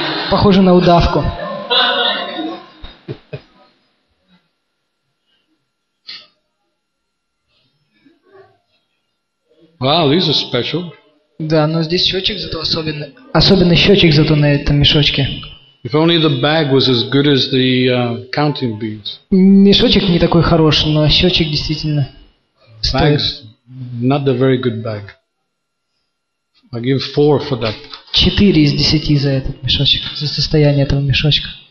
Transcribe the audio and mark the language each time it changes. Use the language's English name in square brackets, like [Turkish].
[Russian] Похоже на удавку. [English] Wow, these are special. [Russian] Да, но здесь счетчик зато особенный. Особенно счетчик зато на этом мешочке. [English] If only the bag was as good as the counting beads. [Russian] Мешочек не такой хороший, но счетчик действительно стоит. [English] Bag's not a very good bag. I give 4 for that. [Russian] 4 из 10 за этот мешочек, за состояние этого мешочка.